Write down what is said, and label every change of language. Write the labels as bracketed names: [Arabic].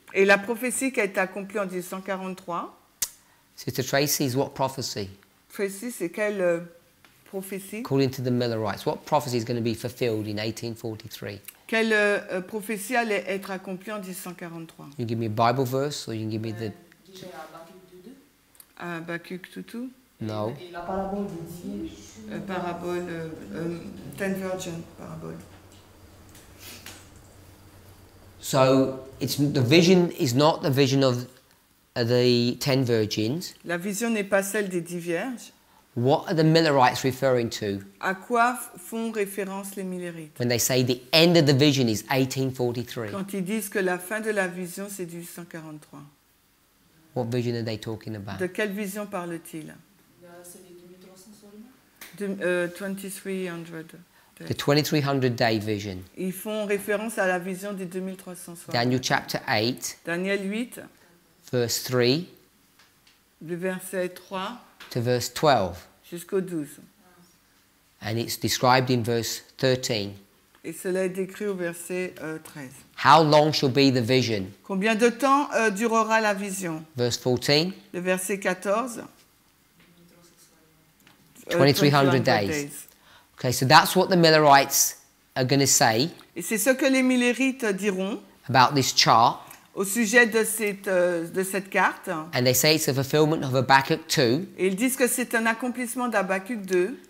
[French] Et la prophétie qui a été accomplie en 1843. [English] Sister Tracy, is what prophecy? [French] Tracy, c'est quelle prophétie? [English] According to the Millerites, what prophecy is going to be fulfilled in 1843? [French] Quelle prophétie allait être accomplie en 1843? [English] You can give me a Bible verse or you can give me the... Habakkuk 2:2? No. [French] Et la parabole des 10 [English] virgins. Parabole, 10 virgins, parabole. So, the vision is not the vision of the 10 virgins. [French] La vision n'est pas celle des 10 vierges. [English] What are the Millerites referring to? [French] À quoi font référence les Millerites? [English] When they say the end of the vision is 1843. [French] Quand ils disent que la fin de la vision c'est 1843. [English] What vision are they talking about? [French] De quelle vision parle-t-il? [English] The 2300 day vision. [French] Ils font référence à la vision des 2300 soirées. [English] Daniel chapter 8. [French] Daniel 8. [English] Verse 3. [French] Le verset 3. [English] To verse 12. [French] Jusqu'au 12. [English] And it's described in verse 13. [French] Et cela est décrit au verset 13. [English] How long shall be the vision? [French] Combien de temps durera la vision? [English] Verse 14. [French] Le verset 14. [English] 2300 days. Okay, so that's what the Millerites are going to say. [French] Et c'est ce que les Millerites diront. [English] About this chart. [French] Au sujet de cette carte. [English] And they say it's a fulfillment of Habakkuk 2. [French] Et ils disent que c'est un accomplissement d'Habakkuk 2.